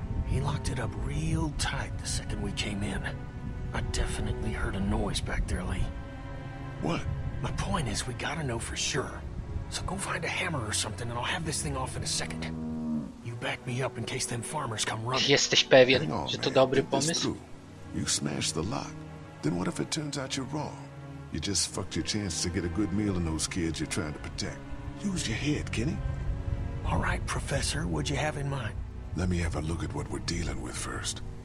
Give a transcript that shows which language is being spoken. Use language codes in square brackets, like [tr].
[en] He locked it up real tight the second we came in. I definitely heard a noise back there, Lee. What? My point is, we gotta know for sure. So go find a hammer or something, and I'll have this thing off in a second. You back me up in case them farmers come running. [pl] Jesteś pewien, że to dobry pomysł? [en] You smashed the lock. Then what if it turns out you're wrong? You just fucked your chance to get a good meal in those kids you're trying to protect. Use your head, Kenny. All right, Professor. What'd you have in mind? Let me have a look at what we're dealing with first.